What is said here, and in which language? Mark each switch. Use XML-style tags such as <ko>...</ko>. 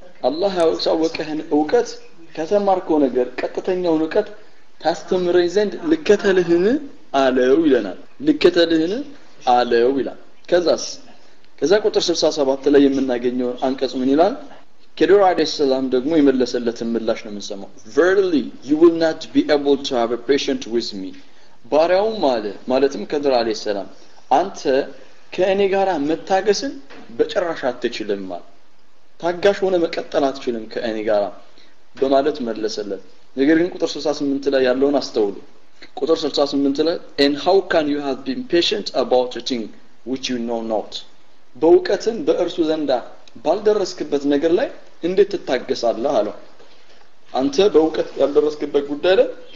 <am>አላህ ያሳወቀህን እውቀት ከተማርከው ነገር ቀጥተኛው ንቀት ታስተምረኝ ዘንድ ልከተልህን አለው ይላል። ልከተልህን አለው ይላል። ከዛ ቁጥር 67 ላይ የምናገኘው አንቀጽ ምን ይላል? ከድር አለይሂ ሰላም ደግሞ የመለሰለትን ምላሽ ነው የምንሰማው።</am> <en>Verily you will not be able to have a patient with me.</en> <am>ባሪያው ማለትም ከድር አለይሂ ሰላም አንተ ከእኔ ጋር መታገስን በጭራሽ አትችልም ማለት ታጋሽ ሆነ መቀጠል አትችልም ከእኔ ጋር በማለት መለሰለት። ነገር ግን ቁጥር 68 ላይ ያለውን አስተውሉ። ቁጥር 68 ላይ</am> <en>And how can you have been patient about a thing which you know not</en> <am>በእውቀትን በእርሱ ዘንዳ ባልደረስክበት ነገር ላይ እንዴት ትታገሳለህ አለው። አንተ በእውቀት ያልደረስክበት ጉዳይ ላይ</am>